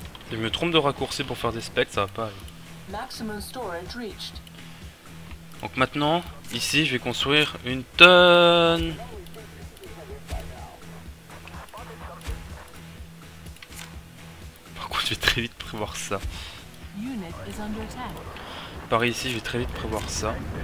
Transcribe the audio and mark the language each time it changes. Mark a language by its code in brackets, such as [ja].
[fr] Je me trompe de raccourci pour faire des specs, ça va pas aller. [en] Maximum storage reached. [fr] Donc maintenant, ici, je vais construire une tonne. Par contre, je vais très vite prévoir ça. [en] Unit is under attack. [fr] Par ici, je vais très vite prévoir ça.